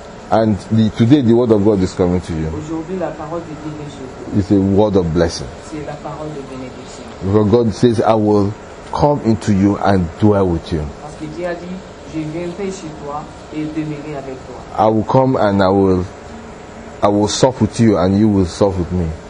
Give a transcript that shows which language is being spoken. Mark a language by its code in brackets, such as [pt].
[en] And today the word of God is coming to you. [fr] Aujourd'hui, la parole de Dieu est chez vous. [en] It's a word of blessing. [fr] C'est la parole de bénédiction. [en] Because God says, I will come into you and dwell with you. [fr] Parce que Dieu a dit, je viendrai chez toi et demeurerai avec toi. [en] I will come and I will sup with you and you will sup with me.